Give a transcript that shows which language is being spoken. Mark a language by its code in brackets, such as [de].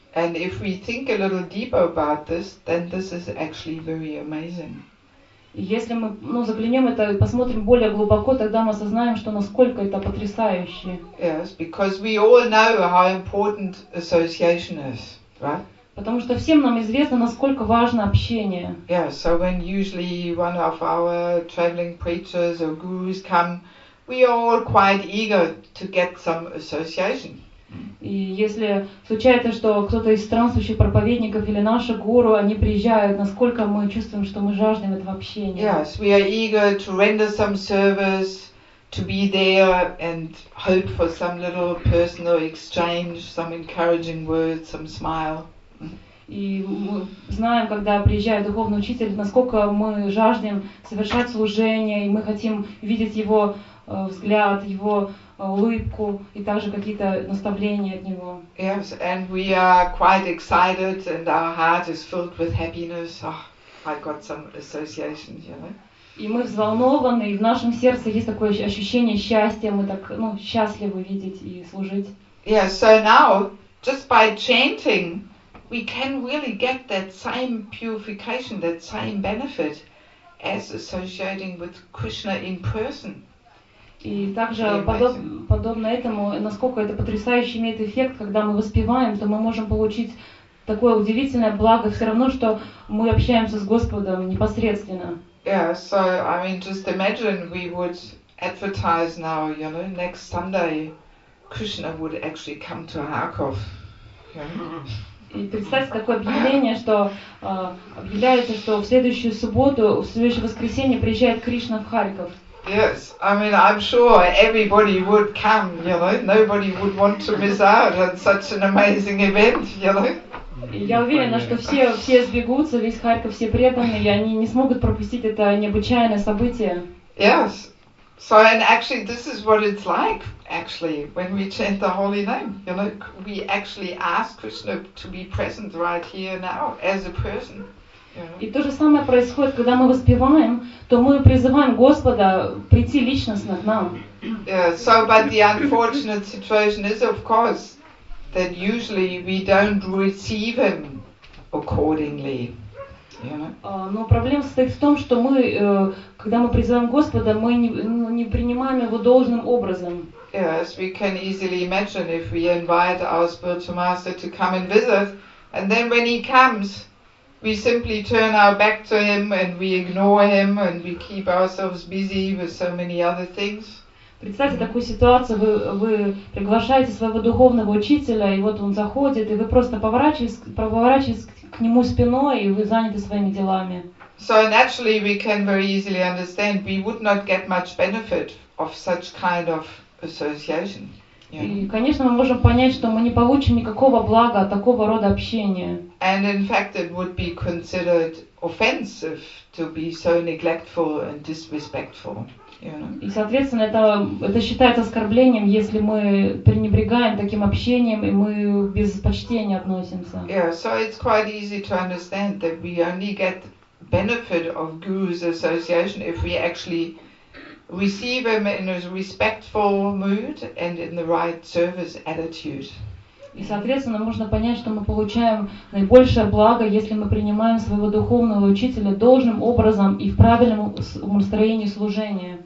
[en] And if we think a little deeper about this, then this is actually very amazing. [ru] Если мы, ну, заглянем это и посмотрим более глубоко, тогда мы осознаем, что насколько это потрясающе. [en] Yes, because we all know how important association is, right? [ru] Потому что всем нам известно, насколько важно общение. [en] Yeah, so when usually one of our traveling preachers or gurus come, we are all quite eager to get some association. [ru] И если случается, что кто-то из странствующих проповедников или наши гуру, они приезжают, насколько мы чувствуем, что мы жаждем этого общения. [en] Yes, we are eager to render some service, to be there and hope for some little personal exchange, some encouraging words, some smile. [ru] И мы знаем, когда приезжает духовный учитель, насколько мы жаждем совершать служение, и мы хотим видеть его взгляд, его улыбку и также какие-то наставления от него. [en] Yes, and we are quite excited, and our heart is filled with happiness. Oh, I got some association, you know? [ru] И мы взволнованы, и в нашем сердце есть такое ощущение счастья, мы так, ну, счастливы видеть и служить. [en] Yeah, so now just by chanting, we can really get that same purification, that same benefit as associating with Krishna in person. [ru] И также подобно этому, насколько это потрясающе имеет эффект, когда мы воспеваем, то мы можем получить такое удивительное благо, все равно, что мы общаемся с Господом непосредственно. [en] Yeah, so I mean, just imagine we would advertise now, you know, next Sunday, Krishna would actually come to Kharkov. [ru] И представьте такое объявление, что объявляется, что в следующую субботу, в следующее воскресенье приезжает Кришна в Харьков. [en] Yes, I mean, I'm sure everybody would come, you know. Nobody would want to miss out on such an amazing event, you know. [ru] Я уверена, что все сбегутся, весь Харьков, все преданные, и они не смогут пропустить это необычайное событие. [en] Yes. So, and actually, this is what it's like, actually, when we chant the holy name. You know, we actually ask Krishna to be present right here now, as a person. [ru] И то же самое происходит, когда мы воспеваем, то мы призываем Господа прийти личностно к нам. [en] Yeah, so, but the unfortunate situation is, of course, that usually we don't receive him accordingly. [ru] Но проблема состоит в том, что мы, когда мы призываем Господа, мы не принимаем его должным образом. [en] Yes, we can easily imagine if we invite our spiritual master to come and visit, and then when he comes, we simply turn our back to him and we ignore him and we keep ourselves busy with so many other things. [ru] Представьте такую ситуацию, вы приглашаете своего духовного учителя, и вот он заходит, и вы просто поворачиваетесь к нему спиной, и вы заняты своими делами. [en] So naturally we can very easily understand we would not get much benefit of such kind of association. [ru] И, конечно, мы можем понять, что мы не получим никакого блага от такого рода общения. [en] And in fact it would be considered offensive to be so neglectful and disrespectful. [ru] И, соответственно, это считается оскорблением, если мы пренебрегаем таким общением и мы без почтения относимся. [en] Yeah, so it's quite easy to understand that we only get benefit of Guru's association if we actually receive him in a respectful mood and in the right service attitude. [ru] И, соответственно, можно понять, что мы получаем наибольшее благо, если мы принимаем своего духовного учителя должным образом и в правильном настроении служения.